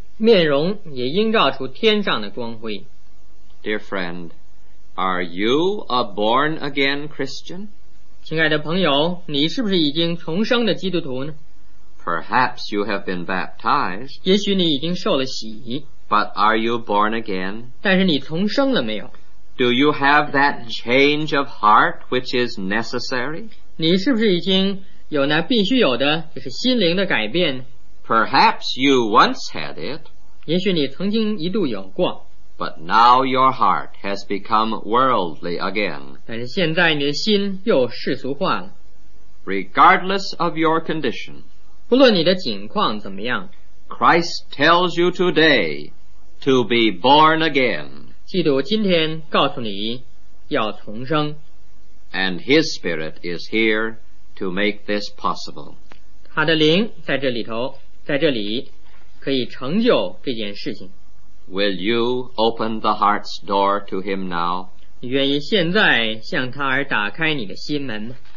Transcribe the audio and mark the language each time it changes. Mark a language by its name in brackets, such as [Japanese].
[Chinese] 面容也映照出天上的光辉。 [English] Dear friend, are you a born again Christian？ [Chinese] 亲爱的朋友，你是不是已经重生的基督徒呢？ [English] Perhaps you have been baptized， [Chinese] 也许你已经受了洗。 [English] But are you born again？ [Chinese] 但是你重生了没有？ [English] Do you have that change of heart which is necessary？ [Chinese] 你是不是已经有那必须有的，就是心灵的改变？ [English] Perhaps you once had it， [Chinese] 也许你曾经一度有过。 [English] But now your heart has become worldly again. [Chinese] 但是现在你的心又世俗化了。 [English] Regardless of your condition, [Chinese] 不论你的境况怎么样, [English] Christ tells you today to be born again. [Chinese] 基督今天告诉你要重生。 [English] And his spirit is here to make this possible. [Chinese] 他的灵在这里头,在这里可以成就这件事情。 [English] Will you open the heart's door to him now? [Chinese] 你愿意现在向他而打开你的心门吗?